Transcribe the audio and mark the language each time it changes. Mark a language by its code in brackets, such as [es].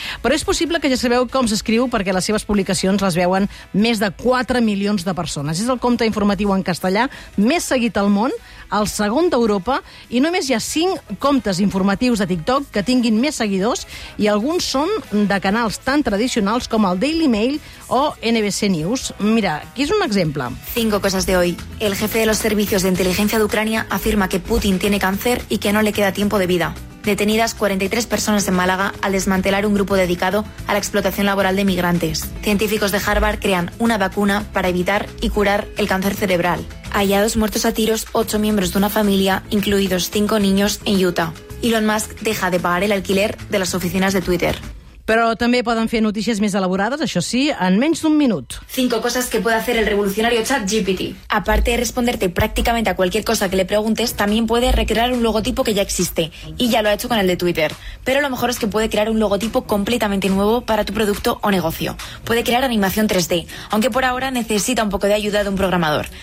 [ca] Però és possible que ja sabeu com s'escriu, perquè les seves publicacions les veuen més de 4 milions de persones. És el compte informatiu en castellà més seguit al món, el segon d'Europa, i només hi ha 5 comptes informatius de TikTok que tinguin més seguidors, i alguns són de canals tan tradicionals com el Daily Mail o NBC News. Mira, aquí és un exemple. [es] 5 coses de hoy. El jefe de los servicios de inteligencia de Ucrania afirma que Putin tiene cáncer y que no le queda tiempo de vida. Detenidas 43 personas en Málaga al desmantelar un grupo dedicado a la explotación laboral de migrantes. Científicos de Harvard crean una vacuna para evitar y curar el cáncer cerebral. Hallados muertos a tiros 8 miembros de una familia, incluidos 5 niños, en Utah. Elon Musk deja de pagar el alquiler de las oficinas de Twitter. [ca] Però també poden fer notícies més elaborades, això sí, en menys d'un minut. [es] 5 cosas que puede hacer el revolucionario ChatGPT. Aparte de responderte prácticamente a cualquier cosa que le preguntes, también puede recrear un logotipo que ya existe. Y ya lo ha hecho con el de Twitter. Pero lo mejor es que puede crear un logotipo completamente nuevo para tu producto o negocio. Puede crear animación 3D, aunque por ahora necesita un poco de ayuda de un programador.